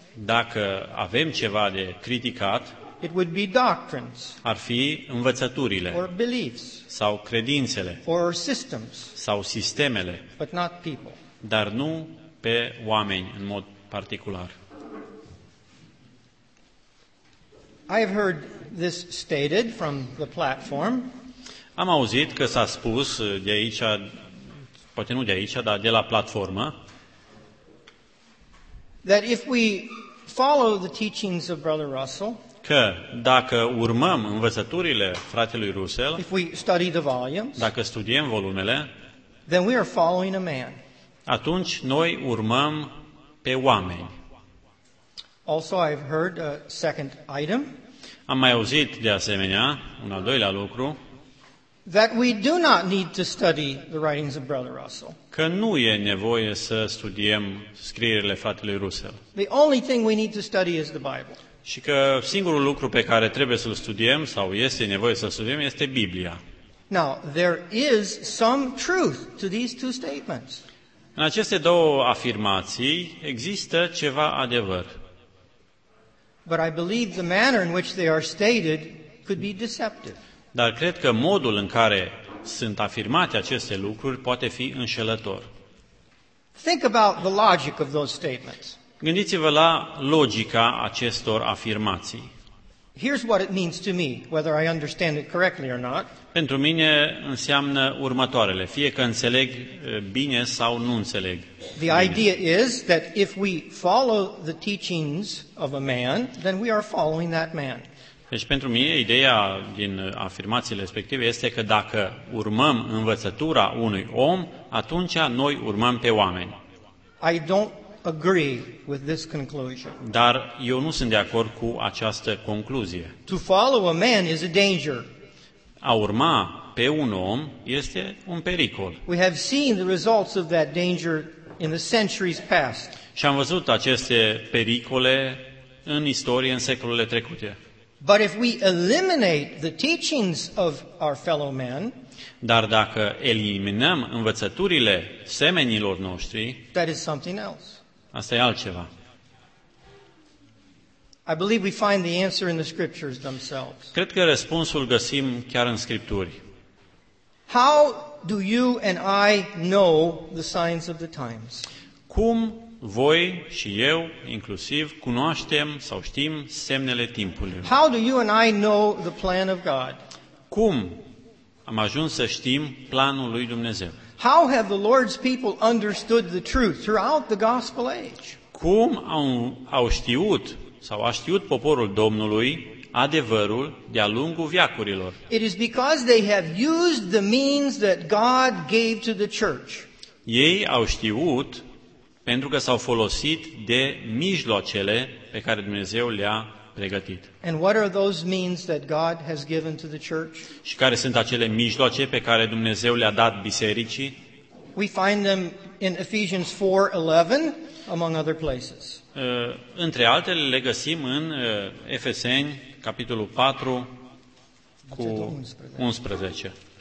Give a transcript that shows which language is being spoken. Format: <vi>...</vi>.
<ro>dacă avem ceva de criticat,</ro> <en>it would be doctrines,</en> <ro>ar fi învățăturile,</ro> <en>or beliefs,</en> <ro>sau credințele,</ro> <en>or systems,</en> <ro>sau sistemele,</ro> <en>but not people.</en> <ro>Dar nu pe oameni în mod particular.</ro> <en>I have heard this stated from the platform.</en> <ro>Am auzit că s-a spus de aici, poate nu de aici, dar de la platformă,</ro> <en>that if we follow the teachings of Brother Russell,</en> <ro>că dacă urmăm învățăturile fratelui Russell,</ro> <en>if we study the volumes,</en> <ro>dacă studiem volumele,</ro> <en>then we are following a man.</en> <ro>Atunci noi urmăm pe oameni.</ro> <en>Also I've heard a second item.</en> <ro>Am mai auzit de asemenea un al doilea lucru.</ro> <en>That we do not need to study the writings of Brother Russell.</en> <ro>Că nu e nevoie să studiem scrierile fratelui Russell.</ro> <en>The only thing we need to study is the Bible.</en> <ro>Și că singurul lucru pe care trebuie să-l studiem sau este nevoie să-l studiem este Biblia.</ro> <en>Now, there is some truth to these two statements.</en> <ro>În aceste două afirmații există ceva adevăr.</ro> <en>But I believe the manner in which they are stated could be deceptive.</en> <ro>Dar cred că modul în care sunt afirmate aceste lucruri poate fi înșelător.</ro> <en>Think about the logic of those statements.</en> <ro>Gândiți-vă la logica acestor afirmații.</ro> <en>Here's what it means to me, whether I understand it correctly or not.</en> <ro>Pentru mine înseamnă următoarele, fie că înțeleg bine sau nu înțeleg.</ro> <en>The idea is that if we follow the teachings of a man, then we are following that man.</en> <ro>Deci pentru mine ideea din afirmațiile respective este că dacă urmăm învățătura unui om, atunci noi urmăm pe oameni.</ro> <en>I don't agree with this conclusion.</en> <ro>Dar eu nu sunt de acord cu această concluzie.</ro> <en>To follow a man is a danger.</en> <ro>A urma pe un om este un pericol.</ro> <en>We have seen the results of that danger in the centuries past.</en> <ro>Și am văzut aceste pericole în istorie în secolele trecute.</ro> <en>But if we eliminate the teachings of our fellow man,</en> <ro>dar dacă eliminăm învățăturile semenilor noștri,</ro> <en>that is something else.</en> <ro>Asta e altceva.</ro> <en>I believe we find the answer in the scriptures themselves.</en> <ro>Cred că răspunsul găsim chiar în scripturi.</ro> <en>How do you and I know the signs of the times?</en> <ro>Cum voi și eu, inclusiv, cunoaștem sau știm semnele timpului?</ro> <en>How do you and I know the plan of God?</en> <ro>Cum am ajuns să știm planul lui Dumnezeu?</ro> <en>How have the Lord's people understood the truth throughout the gospel age?</en> <ro>Cum au știut sau a știut poporul Domnului adevărul de-a lungul veacurilor?</ro> <en>It is because they have used the means that God gave to the church.</en> <ro>Ei au știut pentru că s-au folosit de mijloacele pe care Dumnezeu le-a pregătit.</ro> <en>And what are those means that God has given to the church?</en> <ro>Și care sunt acele mijloace pe care Dumnezeu le-a dat bisericii?</ro> <en>We find them in Ephesians 4:11 among other places.</en> <ro>Între altele le găsim în Efeseni capitolul 4 cu 11.</ro>